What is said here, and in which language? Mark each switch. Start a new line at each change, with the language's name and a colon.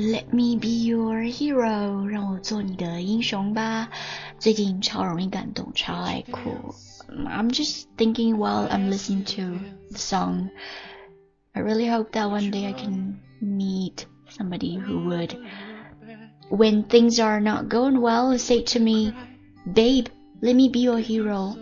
English: Me be your hero，
Chinese: 让我做你的英雄吧。最近超容易感动，超爱哭。
English: I'm just thinking while I'm listening to the song. I really hope that one day I can meet somebody who would, when things are not going well, say to me, Babe, let me be your hero.